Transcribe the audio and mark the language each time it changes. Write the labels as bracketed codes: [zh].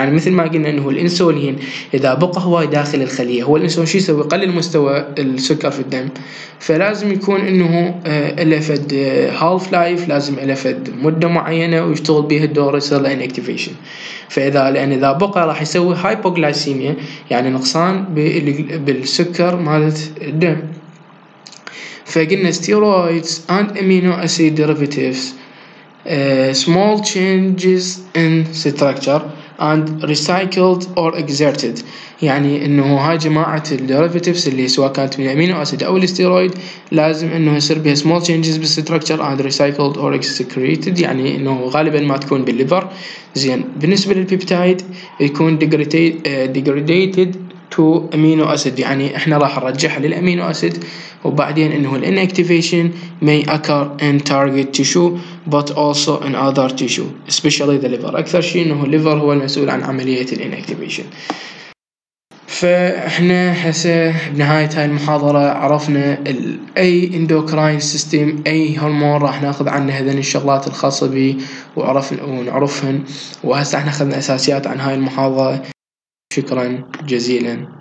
[ar] يعني مثل ما قلنا انه الانسولين اذا بقى هو داخل الخليه، هو الانسولين شو يسوي؟ يقلل مستوى السكر في الدم، فلازم يكون انه له فد هالف لايف، لازم له فد مده معينه ويشتغل بها الدور يصير له انكتيفيشن. فاذا لان اذا بقى راح يسوي هايبوغلايسيميا، يعني نقصان بالسكر مالت الدم. فقلنا [en] steroids and amino acid derivatives, small changes in structure and recycled or exerted. [ar] يعني انه هاي جماعة الديرفاتيفز اللي سواء كانت من الامينو اسيد او الستيرويد لازم انه يصير بها small changes بالستركتر [en] and recycled or excreted, [ar] يعني انه غالبا ما تكون بالليفر. زين, بالنسبة للبيبتايد يكون [en] degraded to amino acid, [ar] يعني احنا راح نرجعها للامينو اسيد, وبعدين انه الانكتيفيشن [en] may occur in target tissue but also in other tissue especially the liver. [ar] اكثر شيء انه الليفر هو المسؤول عن عملية الانكتيفيشن. فاحنا هسه بنهاية هاي المحاضرة عرفنا الـ اي endocrine system, اي هرمون راح ناخذ عنه هذين الشغلات الخاصة بي ونعرفهن, وهسه احنا اخذنا اساسيات عن هاي المحاضرة. شكرا جزيلا.